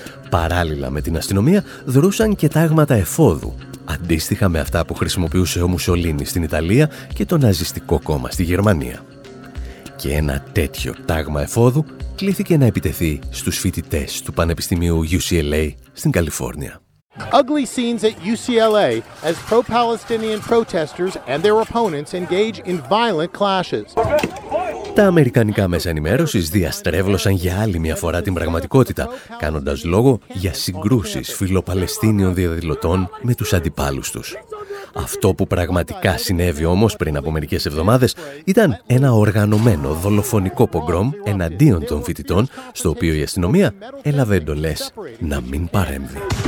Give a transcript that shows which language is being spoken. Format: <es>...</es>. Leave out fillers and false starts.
<el>Παράλληλα με την αστυνομία δρούσαν και τάγματα εφόδου, αντίστοιχα με αυτά που χρησιμοποιούσε ο Μουσολίνη στην Ιταλία και το Ναζιστικό Κόμμα στη Γερμανία. Και ένα τέτοιο τάγμα εφόδου κλήθηκε να επιτεθεί στους φοιτητές του Πανεπιστημίου UCLA στην Καλιφόρνια.</el> <en>Ugly scenes at UCLA as pro-Palestinian protesters and their opponents engage in violent clashes.</en> <el>Τα αμερικανικά μέσα ενημέρωσης διαστρέβλωσαν για άλλη μια φορά την πραγματικότητα, κάνοντας λόγο για συγκρούσεις φιλοπαλαιστίνιων διαδηλωτών με τους αντιπάλους τους. Αυτό που πραγματικά συνέβη όμως πριν από μερικές εβδομάδες ήταν ένα οργανωμένο δολοφονικό πογκρόμ εναντίον των φοιτητών, στο οποίο η αστυνομία έλαβε εντολές να μην παρέμβει.</el>